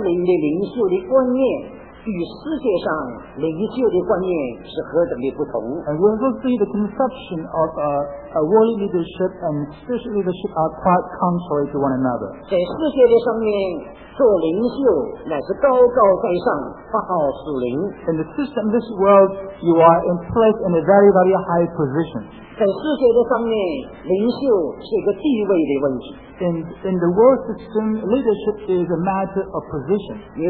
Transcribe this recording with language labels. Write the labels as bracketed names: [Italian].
[Chinese] 我们也看见说，这一个属灵的领袖的观念。与世界上领袖的观念是何等的不同。 [English] And we will see the conception of a worldly leadership and spiritual leadership are quite contrary to one another. [Chinese] 在世界的上面做领袖乃是高高在上，发号施令。 [English] In the system of this world, you are in place in a very, very high position. [Chinese] 在世界的上面，领袖是一个地位的问题。 [English] In the world system, leadership is a matter of position.